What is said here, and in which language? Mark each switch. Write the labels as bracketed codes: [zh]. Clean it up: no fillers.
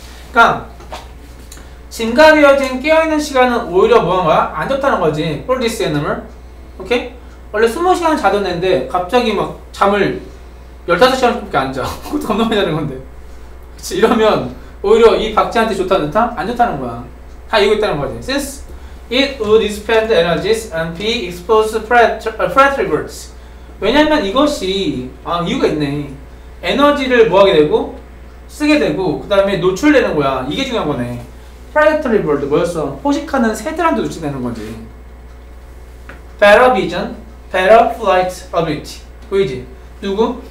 [ko] 그러니까, 증가되어진 깨어있는 시간은 오히려 뭐가 안 좋다는 거지. [en] for this animal. 오케이? [ko] 원래 20시간 자던 애인데, 갑자기 막 잠을 15시간밖에 안 자. 그것도 겁나 많이 자는 건데. 그치? 이러면 오히려 이 박쥐한테 좋다는 듯한? 안 좋다는 거야. 다 이거 있다는 거지. [en] since it would expend energies and be exposed to predatory birds. [ko] 왜냐면 이것이, 아, 이유가 있네. 에너지를 뭐 하게 되고, 쓰게 되고, 그 다음에 노출되는 거야. 이게 중요한 거네. Predatory bird, 뭐였어? 포식하는 새들한테 노출되는 거지. [en] Better vision, better flight ability. [ko] 보이지? 누구?